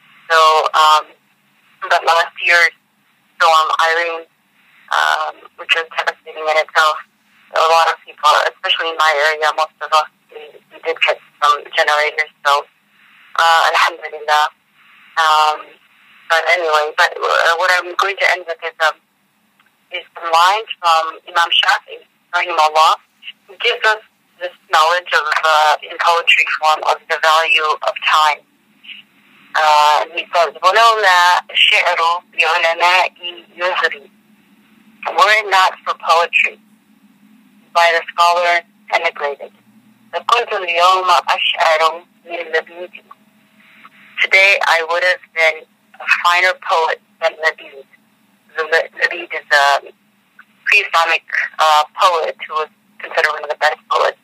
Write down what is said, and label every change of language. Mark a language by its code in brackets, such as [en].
[en] So, but last year's storm, Irene, which was devastating in itself, a lot of people, especially in my area, most of us, we did get some generators, so, alhamdulillah. But anyway, but what I'm going to end with is the line from Imam Shafi, rahimahullah, who gives us this knowledge of, in poetry form, of the value of time. [ar] He says, وَلَوْلَا الشِّعْرُ بِعُلَمَاءِ يُزْرِي. [en] Were it not for poetry, by the scholar emigrated. [ar] لَكُنْتُ الْيَوْمَ أَشْعَرُ مِنْ لَبِيدِ. [en] Today I would have been a finer poet than Labid. Labid is a pre-Islamic poet who was considered one of the best poets.